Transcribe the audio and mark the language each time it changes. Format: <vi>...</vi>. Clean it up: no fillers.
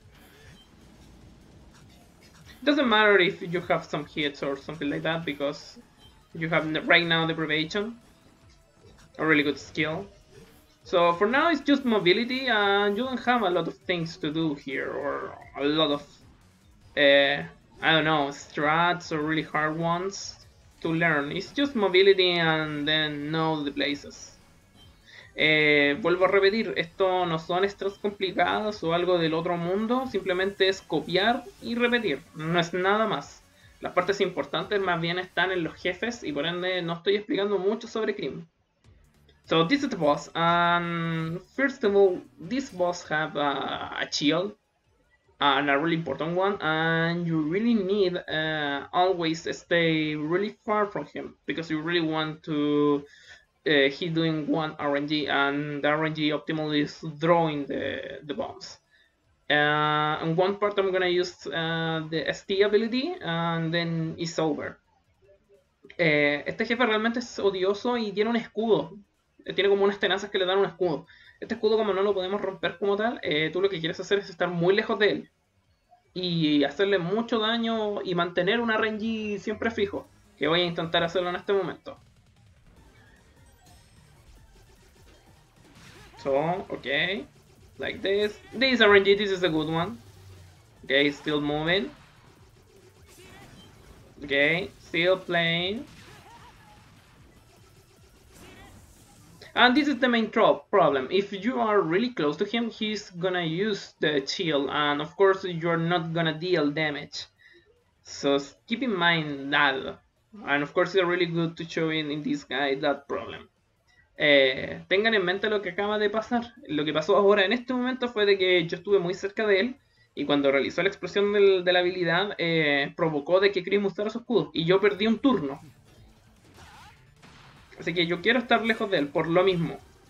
<en>One, two, three, two. It doesn't matter if you have some hits or something like that because you have right now deprivation, a really good skill. So for now it's just mobility and you don't have a lot of things to do here or a lot of, I don't know, strats or really hard ones to learn. It's just mobility and then know the places.</en> <es>Vuelvo a repetir, esto no son strats complicadas o algo del otro mundo, simplemente es copiar y repetir, no es nada más. Las partes importantes más bien están en los jefes y por ende no estoy explicando mucho sobre Cream.</es> <en>So this is the boss, and first of all, this boss have a shield. And a really important one, and you really need always stay really far from him because you really want to he's doing one RNG, and the RNG optimal is throwing the bombs. And one part I'm gonna use the ST ability, and then it's over.</en> <es>Este jefe realmente es odioso y tiene un escudo. Tiene como unas tenazas que le dan un escudo. Este escudo como no lo podemos romper como tal, tú lo que quieres hacer es estar muy lejos de él. Y hacerle mucho daño y mantener una RNG siempre fijo. Que voy a intentar hacerlo en este momento.</es> <en>So, okay. Like this. This RNG, this is a good one. Okay, still moving. Okay, still playing. And this is the main problem. If you are really close to him, he's gonna use the shield, and of course, you're not gonna deal damage. So keep in mind that. And of course, it's really good to show in this guy that problem.</en> <es>Tengan en mente lo que acaba de pasar. Lo que pasó ahora en este momento fue de que yo estuve muy cerca de él. Y cuando realizó la explosión de la habilidad, provocó de que Krim usara su escudo. Y yo perdí un turno. Así que yo quiero estar lejos de él, por lo mismo.</es>